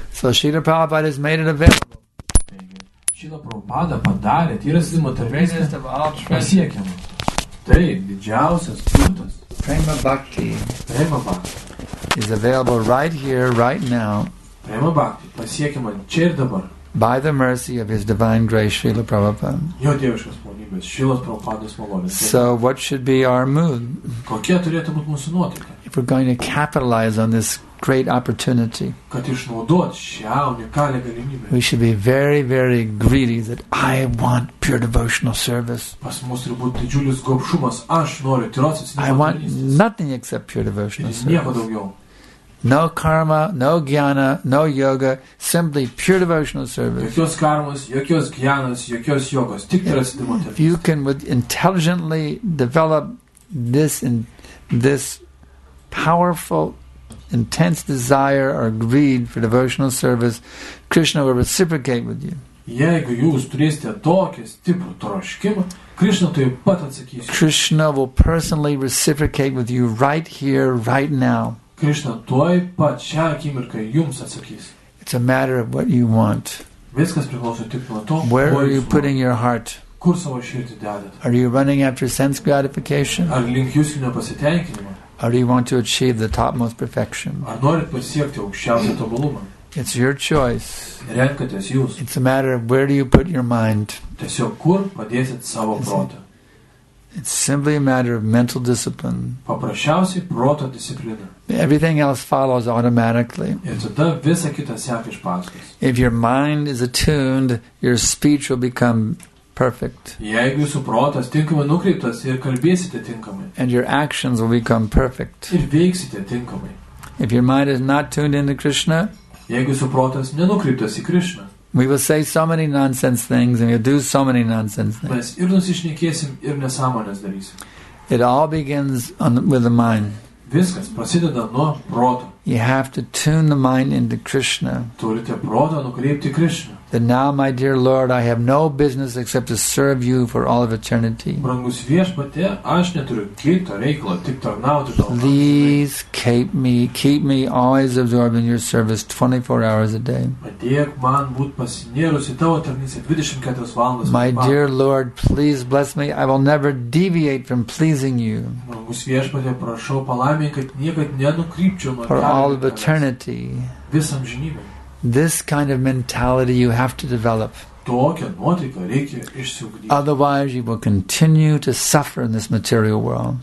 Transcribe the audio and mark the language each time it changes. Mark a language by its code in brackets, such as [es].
[en] So Srila Prabhupada has made it available. [lt] Srila Prabhupada padarė, tai yra atsidimo tarnystės pasiekiama. Tai didžiausias turtas. Prema bhakti. Prema bhakti. [en] Is available right here, right now. Prema bhakti. [lt] Pasiekiama čia ir dabar. [en] By the mercy of His divine grace, Srila Prabhupada. [lt] Jo dieviškos malonybės, Srilos Prabhupados malonės. [en] So what should be our mood? [lt] Kokia turėtų būti mūsų nuotaika? [en] If we're going to capitalize on this great opportunity, [lt] kad išnaudot šią unikalią galimybę, [en] we should be very, very greedy that I want pure devotional service. [lt] Pas mus turi būti didžiulis gobšumas, aš noriu tyros atsidavimo. [en] I want nothing except pure devotional service. [lt] Nieko daugiau. [en] No karma, no jnana, no yoga, simply pure devotional service. [lt] Jokios karmos, jokios jnanos, jokios jogos, tik tyros atsidavimo. [en] If you can with intelligently develop this powerful, intense desire or greed for devotional service, Krishna will reciprocate with you. [lt] Jeigu jūs turėsite tokį stiprų troškimą, Krishna tai pat atsakys. [en] Krishna will personally reciprocate with you right here, right now. [lt] Krishna tuoj pat šią akimirką jums atsakys. [en] It's a matter of what you want. [lt] Viskas priklauso tik nuo to, [en] where are you putting your heart? [lt] Kur savo širdį dedat? [en] Are you running after sense gratification? [lt] Ar link jūsinio pasitenkinimo? [en] Or do you want to achieve the topmost perfection? [lt] Ar norit pasiekti aukščiausią tobulumą? [en] It's your choice. [lt] Renkatės jūs. [en] It's a matter of where do you put your mind. [lt] Tiesiog kur padėsit savo protą. [en] It's simply a matter of mental discipline. [lt] Paprasčiausiai proto disciplina. [en] Everything else follows automatically. [lt] Ir tada visa kita seka iš paskos. [en] If your mind is attuned, your speech will become perfect. [lt] Jeigu jūsų protas tinkamai nukreiptas ir kalbėsite tinkamai. [en] And your actions will become perfect. [lt] Ir veiksite tinkamai. [en] If your mind is not tuned into Krishna, [lt] jeigu jūsų protas nenukreiptas į Krishna, [en] we will say so many nonsense things and we will do so many nonsense things. [lt] Mes ir nusišnekėsim, ir nesąmonės darysim. [en] It all begins with the mind. [lt] Viskas prasideda nuo proto. [en] You have to tune the mind into Krishna. [lt] Turite protą nukreipti į Krishna. [en] That now, my dear Lord, I have no business except to serve you for all of eternity. [lt] Brangus viešpatie, aš neturiu kito reikalo, tik tarnauti tau. [en] Please keep me always absorbed in your service 24 hours a day. [lt] Padėk man būti pasinėrus į tavo tarnystę 24 valandas. [en] My dear Lord, please bless me. I will never deviate from pleasing you. [lt] Brangus viešpatie, prašau palaimink, kad niekad nenukrypčiau nuo tavęs. [en] For all of eternity. [lt] Visam žinybė. [en] This kind of mentality you have to develop. [lt] Tokią nuotaiką reikia išsiugdyti. [en] Otherwise you will continue to suffer in this material world.